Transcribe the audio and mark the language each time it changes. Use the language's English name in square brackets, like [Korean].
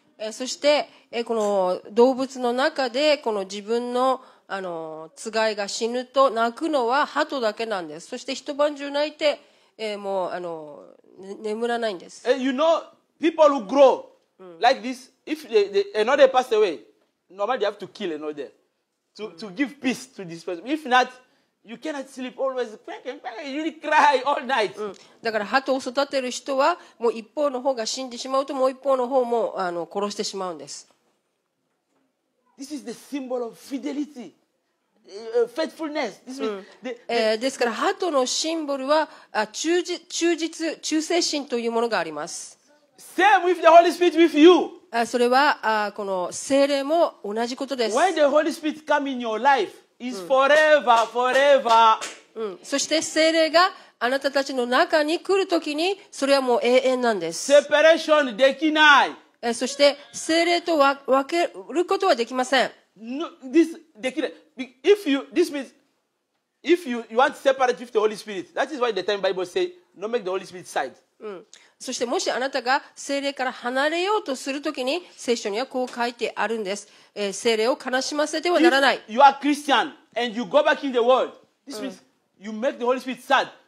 [Japanese] そしてこの動物の中でこの自分のつがいが死ぬと泣くのは鳩だけなんです。そして一晩中泣いて、もう眠らないんです。 [English] You know people who grow like this if the another pass away. Normally, you have to kill another to give peace to this person. If not, you cannot sleep always. Quack, quack, you really cry all night. [Japanese] だから鳩を育てる人はもう一方の方が死んでしまうともう一方の方も殺してしまうんです。 [English] This is the symbol of fidelity, faithfulness. This means [Japanese] ですから鳩のシンボルは忠誠心というものがあります。 [English] Same with the Holy Spirit with you. [Japanese] それはこの聖霊も同じことです。 [English] When the Holy Spirit come in your life, it's forever, forever. [Japanese] そして聖霊があなたたちの中に来るときに、それはもう永遠なんです。 Separation できない。そして聖霊と分けることはできません。 [English] No, this [Japanese] できない。 [English] This means if you want to separate with the Holy Spirit, that is why the time Bible say, don't make the Holy Spirit side. [Japanese] そしてもしあなたが聖霊から離れようとするときに聖書にはこう書いてあるんです、聖霊を悲しませてはならない。 [English] If you are Christian and you go back in the world, this means you make the Holy Spirit sad.